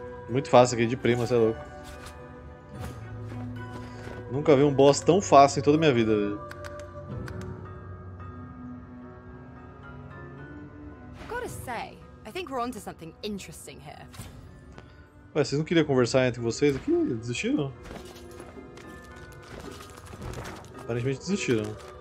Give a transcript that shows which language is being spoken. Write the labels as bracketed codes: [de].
[pt] Muito fácil aqui, de prima, você é louco. Nunca vi um boss tão fácil em toda a minha vida, viu? [en] Gotta say, I think we're onto something interesting here. [pt] Ué, vocês não queriam conversar entre vocês aqui? Desistiram? Aparentemente desistiram.